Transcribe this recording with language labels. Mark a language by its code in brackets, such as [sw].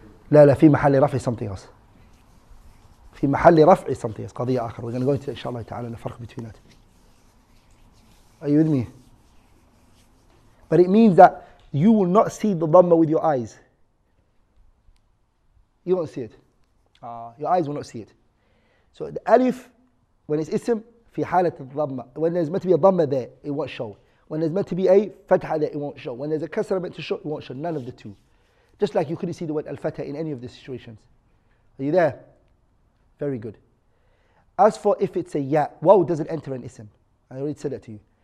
[ar] لا لا في محل رفع [en] something else. [ar] في محل رفع something else. قضية آخر. [en] We're going to go into, inshallah ta'ala, the difference between that. Are you with me? But it means that you will not see the dhamma with your eyes. You won't see it. Your eyes will not see it. So the alif, when it's ism, [ar] في حالة الضمّة. [en] When there's meant to be a dhamma there, it won't show. When there's meant to be a fatha there, it won't show. When there's a kasra meant to show, it won't show. None of the two. Just like you couldn't see the word al-fatha in any of the situations. Are you there? Very good. As for if it's a ya, waw doesn't enter an ism. I already said that to you.